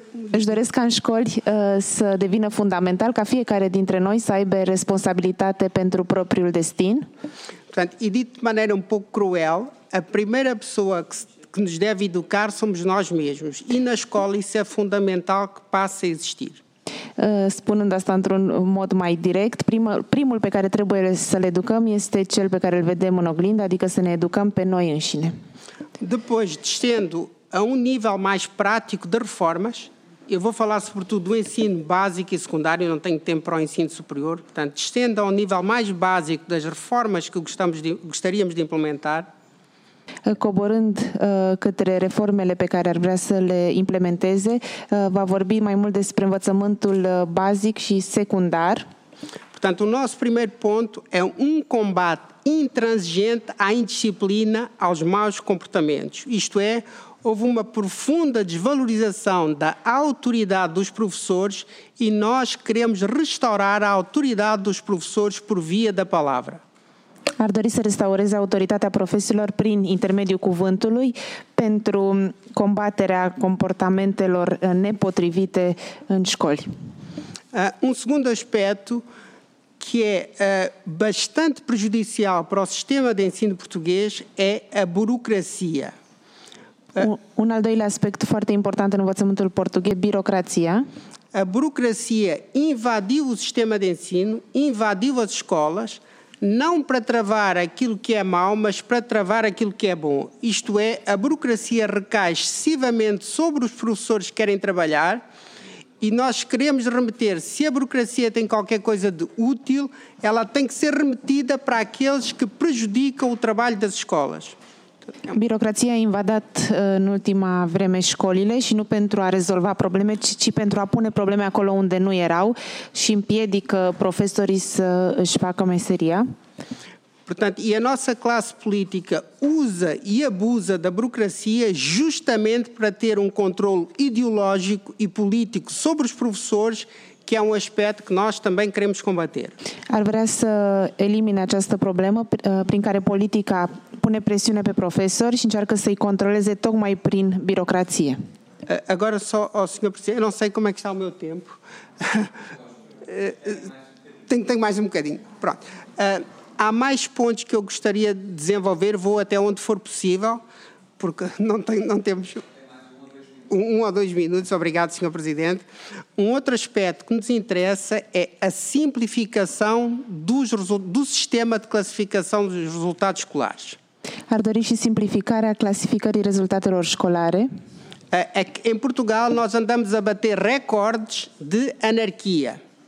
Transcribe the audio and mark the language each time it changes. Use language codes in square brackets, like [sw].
[ro] Își doresc ca în școli să devină fundamental ca fiecare dintre noi să aibă responsabilitate pentru propriul destin. [pt] Portanto, e dito de maneira un pouco cruel, a primeira pessoa que nos deve educar somos nós mesmos. E na escola isso é fundamental que passe a existir. [ro] Spunând asta într-un mod mai direct, primul pe care trebuie să-l educăm este cel pe care îl vedem în oglindă, adică să ne educăm pe noi înșine. [pt] Depois, descendo a un nivel mai practic de reformas, eu vou falar sobretudo do ensino básico e secundário, eu não tenho tempo para o ensino superior, portanto, descendo a un nivel mai básico das reformas que gostaríamos de implementar, [ro] coborând către reformele pe care ar vrea să le implementeze, va vorbi mai mult despre învățământul bazic și secundar. [pt] Portanto, o nosso primeiro ponto é um combate intransigente à indisciplina, aos maus comportamentos. Isto é, houve uma profunda desvalorização da autoridade dos professores e nós queremos restaurar a autoridade dos professores por via da palavra. [ro] Ar dori să restaureze autoritatea profesorilor prin intermediul cuvântului pentru combaterea comportamentelor nepotrivite în școli. [pt] Un segundo aspecto que é bastante prejudicial para o sistema de ensino português é a burocracia. [ro] Un al doilea aspect foarte important în învățământul portughez, birocrația. [pt] A burocracia invadiu o sistema de ensino, invadiu as escolas, não para travar aquilo que é mau, mas para travar aquilo que é bom. Isto é, a burocracia recai excessivamente sobre os professores que querem trabalhar e nós queremos remeter, se a burocracia tem qualquer coisa de útil, ela tem que ser remetida para aqueles que prejudicam o trabalho das escolas. [ro] Birocrația a invadat în ultima vreme școlile și nu pentru a rezolva probleme, ci pentru a pune probleme acolo unde nu erau și împiedică profesorii să își facă meseria. [pt] Portanto, e a nossa classe política usa e abusa da burocracia justamente para ter controle ideológico e político sobre os professores, que é aspecto que nós também queremos combater. [ro] Ar vrea să elimine această problemă prin care politica pune presiune pe profesori și încearcă să-i controleze tocmai prin birocrație. [pt] Agora só, senhor presidente, não sei como é que está o meu tempo. Tenho mais bocadinho. Pronto. Há mais pontos que eu gostaria de desenvolver, vou até onde for possível, porque não temos... Um ou dois minutos, obrigado, senhor presidente. Um outro aspecto que nos interessa é a simplificação do sistema de classificação dos resultados escolares. [ro] Ar dori și simplificarea clasificării rezultatelor școlare. [pt] Em Portugal nós andamos a bater recordes de anarquia.